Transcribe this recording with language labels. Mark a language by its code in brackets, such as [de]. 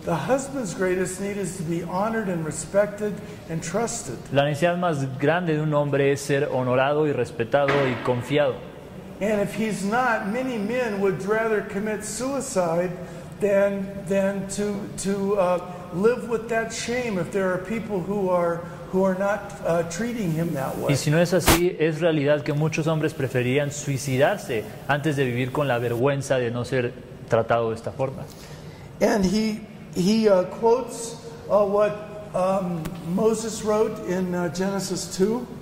[en] The husband's greatest need is to be honored and respected and trusted. [es] La necesidad más grande de un hombre es ser honorado y respetado y confiado. [en] And if he's not, many men would rather commit suicide than to live with that shame if there are people who are not treating him that way. [es] Y si no es así, es realidad que muchos hombres preferirían suicidarse antes de vivir con la vergüenza de no ser tratado de esta forma. [en] And he quotes what Moses wrote in Genesis 2.